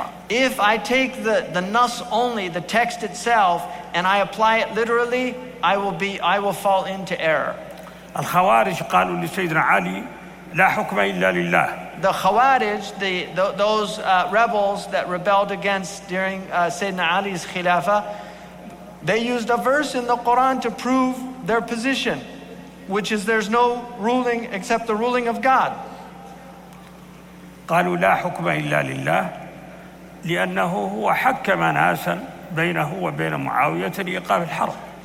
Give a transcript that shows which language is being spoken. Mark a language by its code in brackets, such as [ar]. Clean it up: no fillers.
[en] If I take the nas only, the text itself, and I apply it literally, I will fall into error. [ar] الخوارج قالوا لسيدنا علي لا حكم إلا لله. [en] The Khawarij, those rebels that rebelled against during Sayyidina Ali's Khilafah, they used a verse in the Quran to prove their position, which is there's no ruling except the ruling of God. [ar] قالوا لا حكم إلا لله لأنه هو حكم ناسا بينه وبين معاوية لإيقاف الحرب.